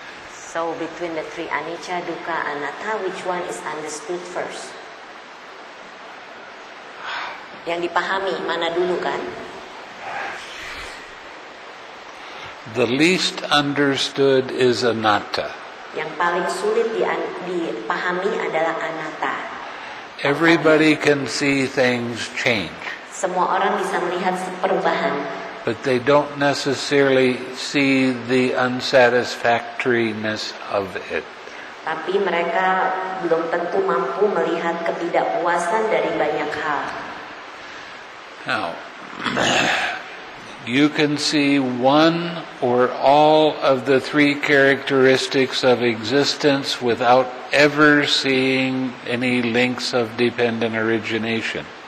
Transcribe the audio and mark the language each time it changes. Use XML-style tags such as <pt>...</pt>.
<en>So between the three, anicca, dukkha, anatta, which one is understood first?</en> <id>Yang dipahami mana dulu kan?</id> <en>The least understood is anatta.</en> <id>Yang paling sulit dipahami adalah anatta.</id> <en>Everybody can see things change.</en> <id>Semua orang bisa melihat perubahan.</id> <en>But they don't necessarily see the unsatisfactoriness of it.</en> <id>Tapi mereka belum tentu mampu melihat ketidakpuasan dari banyak hal.</id> <en>Now, you can see one or all of the three characteristics of existence without ever seeing any links of dependent origination.</en>